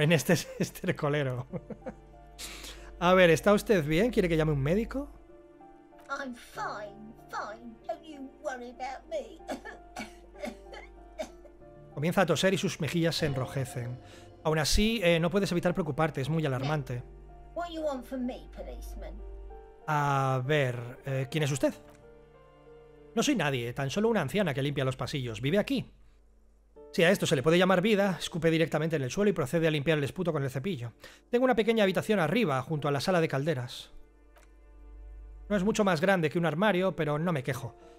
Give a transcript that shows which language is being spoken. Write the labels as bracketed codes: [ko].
[es] En este estercolero. A ver, ¿está usted bien? ¿Quiere que llame un médico? [en] I'm fine, fine. Don't you worry about me. [es] Comienza a toser y sus mejillas se enrojecen. Aún así, no puedes evitar preocuparte, es muy alarmante. [en] What you want from me, policeman? [es] A ver, ¿quién es usted? No soy nadie, tan solo una anciana que limpia los pasillos. ¿Vive aquí? Si a esto se le puede llamar vida, escupe directamente en el suelo y procede a limpiar el esputo con el cepillo. Tengo una pequeña habitación arriba, junto a la sala de calderas. No es mucho más grande que un armario, pero no me quejo.